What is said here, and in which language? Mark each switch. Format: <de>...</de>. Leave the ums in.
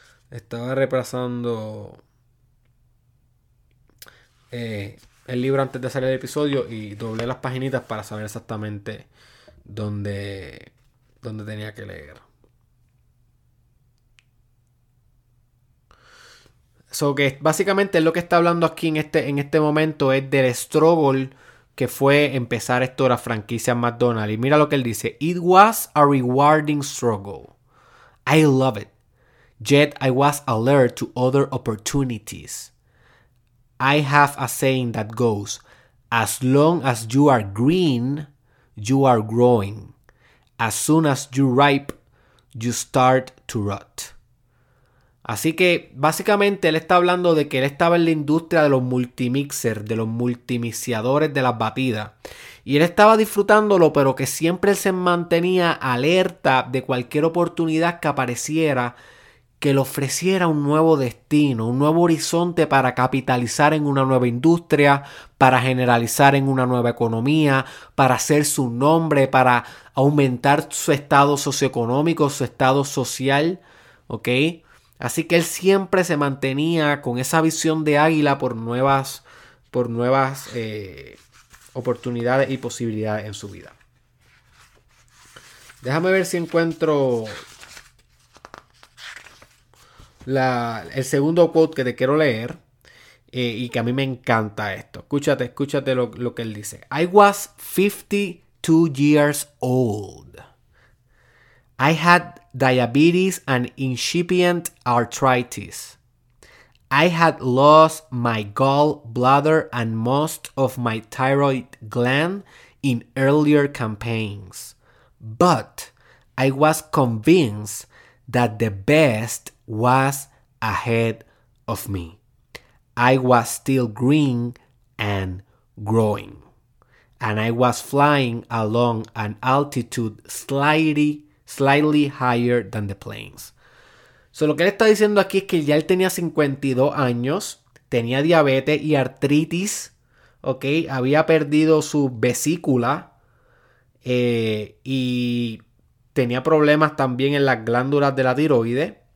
<es>Estaba repasando eh, el libro antes de salir el episodio y doblé las paginitas para saber exactamente dónde, dónde tenía que leer. So que básicamente lo que está hablando aquí en este, en este momento es del struggle que fue empezar esto de la franquicia McDonald's. Y mira lo que él dice.</es> <en>It was a rewarding struggle. I love it. Yet I was alert to other opportunities. I have a saying that goes, as long as you are green, you are growing. As soon as you ripe, you start to rot.</en> <es>Así que básicamente él está hablando de que él estaba en la industria de los multimixers, de los multimiciadores de las batidas. Y él estaba disfrutándolo, pero que siempre él se mantenía alerta de cualquier oportunidad que apareciera que le ofreciera un nuevo destino, un nuevo horizonte para capitalizar en una nueva industria, para generalizar en una nueva economía, para hacer su nombre, para aumentar su estado socioeconómico, su estado social, ¿ok? Así que él siempre se mantenía con esa visión de águila por nuevas, por nuevas eh, oportunidades y posibilidades en su vida. Déjame ver si encuentro la, el segundo quote que te quiero leer eh, y que a mí me encanta esto. Escúchate, escúchate lo, lo que él dice.</es> <en>I was 52 years old. I had diabetes and incipient arthritis. I had lost my gallbladder and most of my thyroid gland in earlier campaigns, but I was convinced that the best was ahead of me. I was still green and growing, and I was flying along an altitude slightly slightly higher than the planes.</en> <es>So, lo que él está diciendo aquí es que ya él tenía 52 años, tenía diabetes y artritis, ¿ok? Había perdido su vesícula eh, y tenía problemas también en las glándulas de la tiroides.</es>